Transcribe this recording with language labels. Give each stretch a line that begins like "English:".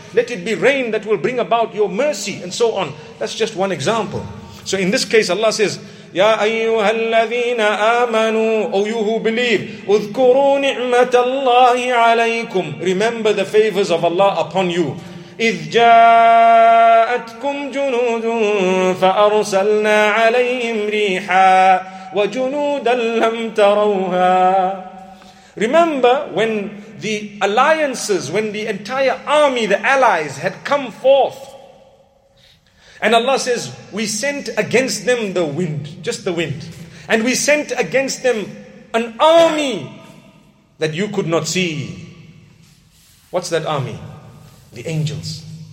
English: Let it be rain that will bring about Your mercy and so on. That's just one example. So in this case, Allah says,
Arabic: يا أيها الذين آمنوا أو
English: you who believe
Arabic: اذكروا نعمة الله عليكم.
English: Remember the favors of Allah upon you.
Arabic: إذ جاءتكم جنود فأرسلنا عليهم ريحا وجنودا لم تروها.
English: Remember when the alliances, when the entire army, the allies had come forth. And Allah says, we sent against them the wind, just the wind. And we sent against them an army that you could not see. What's that army? The angels.